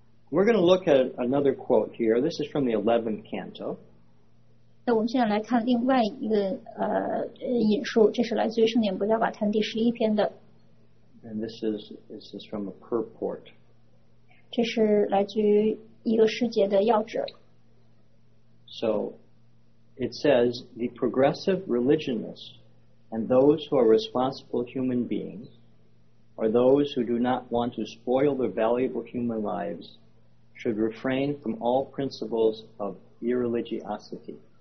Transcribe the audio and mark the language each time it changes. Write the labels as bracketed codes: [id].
[en] We're going to look at another quote here. This is from the 11th canto. [zh] 那我们现在来看另外一个引述，这是来自于圣典《不加瓦坛》第十一篇的。 [en] And this is from a purport. [zh] 这是来自于一个世界的要旨。 [en] So it says, the progressive religionists and those who are responsible human beings are those who do not want to spoil their valuable human lives should refrain from all principles of irreligiosity.